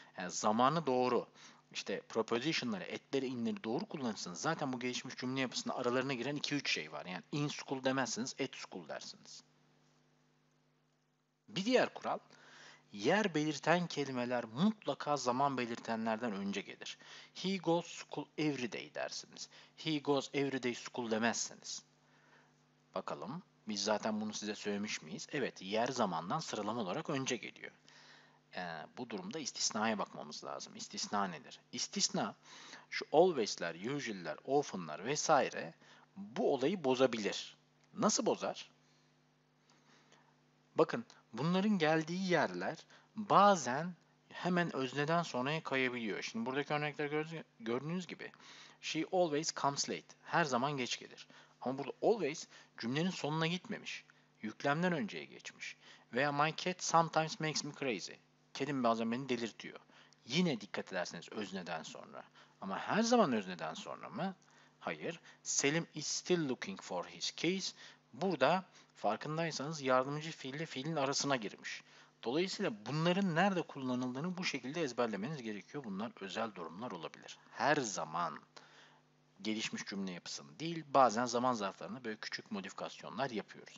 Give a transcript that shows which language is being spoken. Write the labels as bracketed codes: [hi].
[tr] Yani zamanı doğru, işte prepositionları, etleri, inleri doğru kullanırsanız zaten bu gelişmiş cümle yapısında aralarına giren 2-3 şey var. Yani [en] in school [tr] demezsiniz, [en] at school [tr] dersiniz. Bir diğer kural, yer belirten kelimeler mutlaka zaman belirtenlerden önce gelir. [en] He goes school every day [tr] dersiniz. [en] He goes every day school [tr] demezsiniz. Bakalım, biz zaten bunu size söylemiş miyiz? Evet, yer zamandan sıralama olarak önce geliyor. Bu durumda istisnaya bakmamız lazım. İstisna nedir? İstisna, şu always'ler, usual'ler, often'lar vesaire bu olayı bozabilir. Nasıl bozar? Bakın, bunların geldiği yerler bazen hemen özneden sonraya kayabiliyor. Şimdi buradaki örnekler gördüğünüz gibi. [en] She always comes late. [tr] Her zaman geç gelir. Ama burada always cümlenin sonuna gitmemiş. Yüklemden önceye geçmiş. Veya [en] my cat sometimes makes me crazy. [tr] Kedim bazen beni delirtiyor. Yine dikkat ederseniz özneden sonra. Ama her zaman özneden sonra mı? Hayır. [en] Selim is still looking for his keys. [tr] Burada farkındaysanız yardımcı fiil ile fiilin arasına girmiş. Dolayısıyla bunların nerede kullanıldığını bu şekilde ezberlemeniz gerekiyor. Bunlar özel durumlar olabilir. Her zaman gelişmiş cümle yapısını değil, bazen zaman zarflarına böyle küçük modifikasyonlar yapıyoruz.